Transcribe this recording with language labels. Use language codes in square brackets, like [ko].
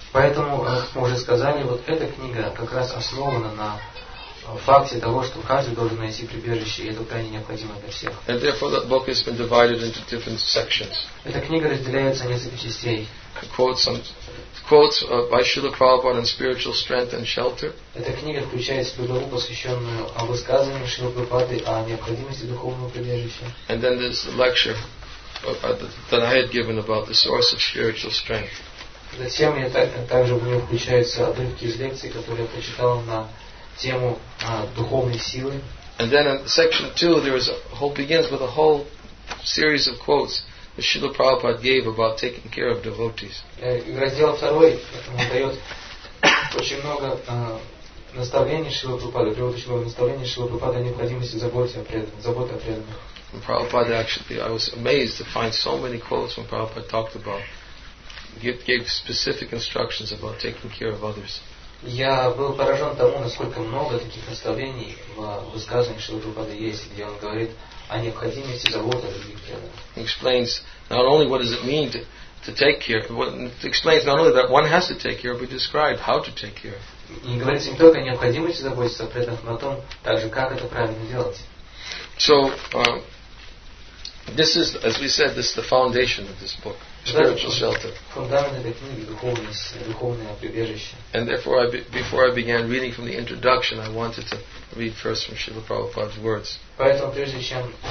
[ru] Поэтому, как мы уже сказали, вот эта книга как раз основана на факте того, что каждый должен найти прибежище, и это крайне необходимо для всех. [en] And therefore, that book has been divided into different sections. [ru] Эта книга разделяется на несколько частей. [en] Quotes by Srila Prabhupada on spiritual strength and shelter. [ru] Эта книга включает в себя главу, посвященную высказываниям Шрилы Прабхупады о необходимости духовного прибежища. [en] And then there's the lecture that I had given about the source of spiritual strength. [ru] Затем я также в нее включаются отрывки из лекций, которые я прочитал на тему духовной силы. [en] And then in section 2 there is a whole begins with a whole series of quotes that Srila Prabhupada gave about taking care of devotees. [ru] И раздел второй дает очень много наставлений Шрилы Прабхупады, приводит очень много наставлений Шрилы Прабхупады о необходимости заботы о преданных. [en] And Prabhupada actually, I was amazed to find so many quotes when Prabhupada talked about, gave specific instructions about taking care of others. [ru] Я был поражен тому, насколько много таких наставлений в высказываниях Шрилы Прабхупады есть, где он говорит о необходимости заботы о других преданных. [en] Explains not only what does it mean to take care, what explains not only that one has to take care, but describes how to take care. [ru] Не говорится не только о необходимости заботиться о преданных, но о том, также как это правильно делать. [en] So this is, as we said, this is the foundation of this book, spiritual shelter. And therefore, before I began reading from the introduction, I wanted to read first from Srila Prabhupada's words.